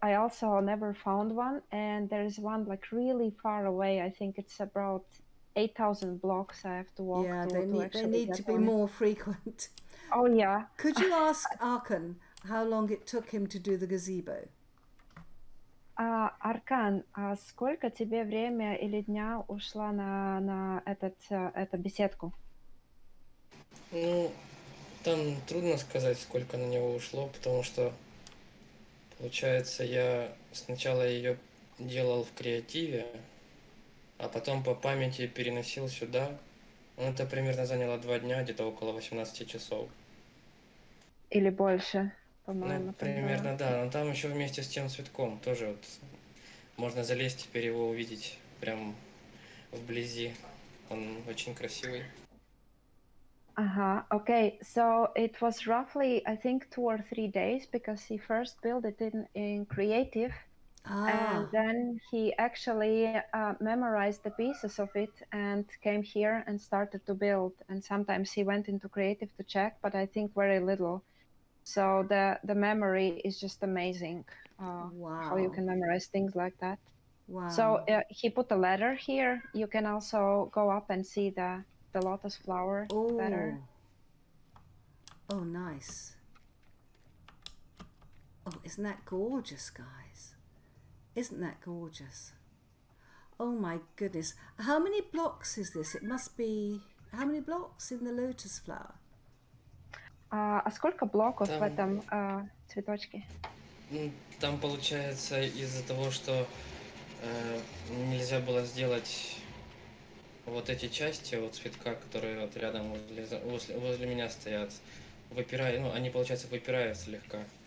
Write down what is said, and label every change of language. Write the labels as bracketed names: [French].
[English] I also never found one. And there is one like really far away. I think it's about 8,000 blocks I have to walk Yeah, to they actually need get to be one. more frequent. Oh yeah. Could you ask Arkan how long it took him to do the gazebo? [Russian] Аркан, а сколько тебе время или дня ушло на этот эту беседку? Ну, там трудно сказать, сколько на него ушло, потому что, получается, я сначала ее делал в креативе, а потом по памяти переносил сюда. Ну, это примерно заняло 2 дня, где-то около 18 часов. Или больше, Ну, по-моему, там было. примерно, да. Но там еще вместе с тем цветком тоже вот можно залезть, теперь его увидеть прям вблизи. Он очень красивый. [English] Okay, so it was roughly, I think, 2 or 3 days because he first built it in creative, And then he actually memorized the pieces of it and came here and started to build. And sometimes he went into creative to check, but I think very little. So the memory is just amazing, how you can memorize things like that. So he put a letter here. You can also go up and see the lotus flower better. Oh, nice. Oh, isn't that gorgeous, guys? Isn't that gorgeous? Oh my goodness. How many blocks is this? It must be, how many blocks in the lotus flower? [Russian] А сколько блоков в этом цветочке? Там получается из-за того, что нельзя было сделать вот эти части вот цветка, которые вот рядом возле меня стоят, выпирая, ну они получается выпирают слегка.